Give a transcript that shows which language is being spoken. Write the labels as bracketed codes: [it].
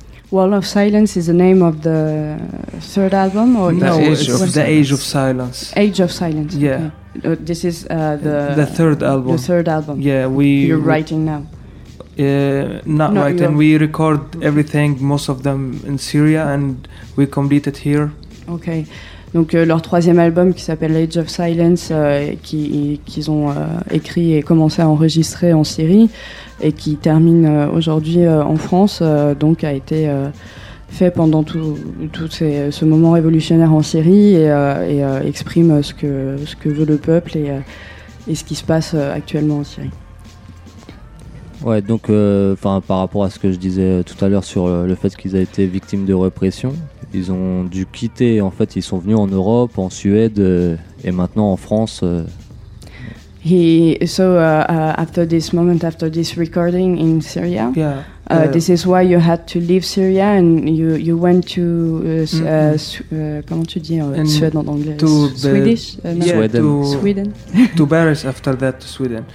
[en] Wall of Silence is the name of the third album or the no? Age of Silence. Age of Silence. Yeah. Okay. This is the third album. The third album. Yeah, you're writing now. Not right, and we record everything, most of them in Syria, and we complete it here. [fr] Okay, donc leur troisième album qui s'appelle Age of Silence, qu'ils ont écrit et commencé à enregistrer en Syrie, et qui termine aujourd'hui en France, donc a été fait pendant ce moment révolutionnaire en Syrie, et exprime ce que veut le peuple et ce qui se passe actuellement en Syrie. Ouais, donc par rapport à ce que je disais tout à l'heure sur le fait qu'ils aient été victimes de répression, ils ont dû quitter, en fait, ils sont venus en Europe, en Suède et maintenant en France. [en] After this moment, after this recording in Syria, yeah, this is why you had to leave Syria and you went to [fr] comment tu dis Suède en anglais, [en] to Swedish, Sweden. Sweden. To Paris after that, to Sweden.